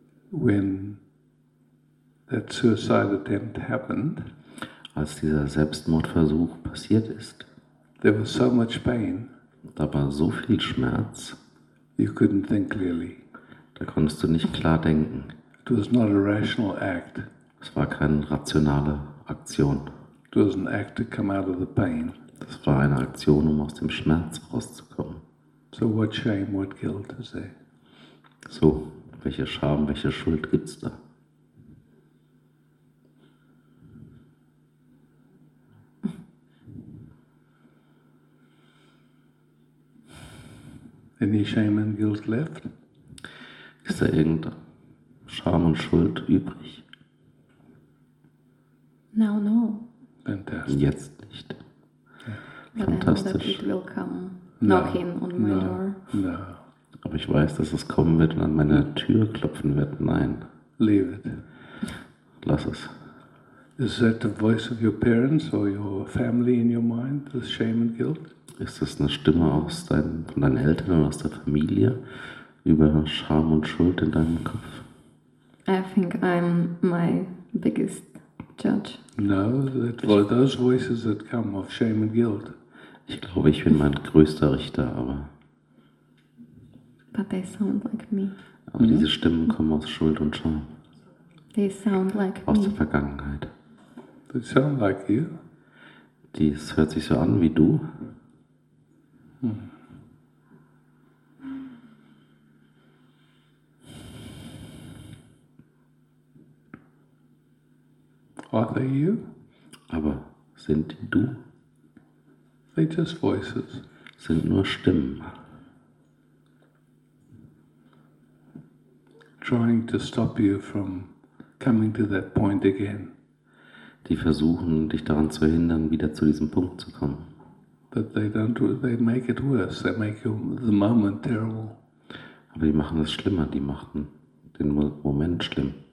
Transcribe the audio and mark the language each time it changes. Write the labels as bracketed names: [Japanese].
[English] When that suicide attempt happened, [German] als dieser Selbstmordversuch passiert ist, [English] there was so much pain, [German] da war so viel Schmerz, [English] you couldn't think clearly. [German] Da konntest du nicht klar denken. [English] It was not a rational act. [German] Es war keine rationale Aktion. [English] It was an act to come out of the pain. [German] Das war eine Aktion, um aus dem Schmerz rauszukommen. [English] So what shame, what guilt is there? So. [German] Welche Scham, welche Schuld gibt es da? [English] Any shame and guilt left? [German] Ist da irgendeine Scham und Schuld übrig? [English] Now no. Fantastic. [German] Jetzt nicht. Fantastisch. [English] But I know that it will come knocking on my door. No. [German] Aber ich weiß, dass es kommen wird und an meine Tür klopfen wird. Nein. [English] Leave it. [German] Lass es. [English] Is that the voice of your parents or your family in your mind, this shame and guilt? [German] Ist das eine Stimme aus von deinen Eltern und aus der Familie über Scham und Schuld in deinem Kopf? [English] I think I'm my biggest judge. No, that, well, those voices that come of shame and guilt. [German] Ich glaube, ich bin mein größter Richter, aber... [English] But they sound like me. [German] Aber diese Stimmen kommen aus Schuld und Scham. [English] They sound like [German] aus der Vergangenheit. [English] They sound like you. [German] Das hört sich so an wie du. [English] Are they you? [German] Aber sind die du? [English] They just voices. [German] Sind nur Stimmen. [English] Trying to stop you from coming to that point again. [German] Die versuchen, dich daran zu hindern, wieder zu diesem Punkt zu kommen. [English] But they don't. They make it worse. They make the moment terrible. [German] Aber die machen es schlimmer. Die machen den Moment schlimm.